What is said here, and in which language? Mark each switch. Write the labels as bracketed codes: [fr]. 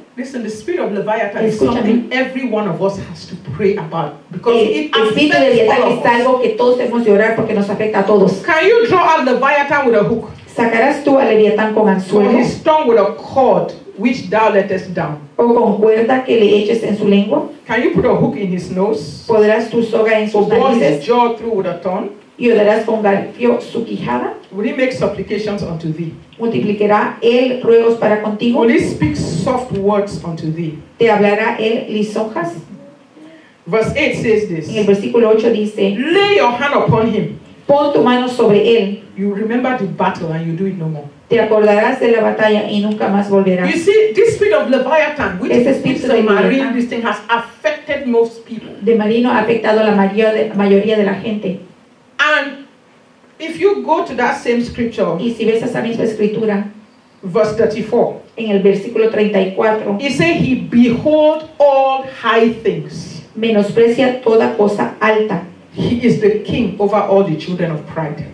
[en] Listen, the spirit of Leviathan is something every one of us has to pray about because it affects all of us. Can you draw up Leviathan with a hook? [es] ¿Sacarás tú a Leviatán con anzuelo? [en] Or his tongue with a cord which thou lettest down? [es] ¿O con cuerda que le eches en su lengua? [en] Can you put a hook in his nose? [es] ¿Podrás tú soga en sus narices? [en] ¿O draw his jaw through with a thorn? [es] ¿Y darás con garfio su quijada? [en] Will he make supplications unto thee? [es] ¿Multiplicará él ruegos para contigo? [en] Will he speak soft words unto thee? [es] ¿Te hablará él lisonjas? [en] Verse 8 says this. [es] En el versículo 8 dice, [en] lay your hand upon him. [es] Pon tu mano sobre él. [en] You remember the battle and you do it no more. [es] Te acordarás de la batalla y nunca más volverás. [en] You see, this spirit of Leviathan, which is the marine, this thing has affected most people. [es] De marino ha afectado la mayoría de la gente. [en] And if you go to that same scripture, [es] y si ves esa misma escritura, [en] verse 34, [es] en el versículo 34, [en] he said, he behold all high things. [es] Menosprecia toda cosa alta. [en] He is the king over all the children of pride.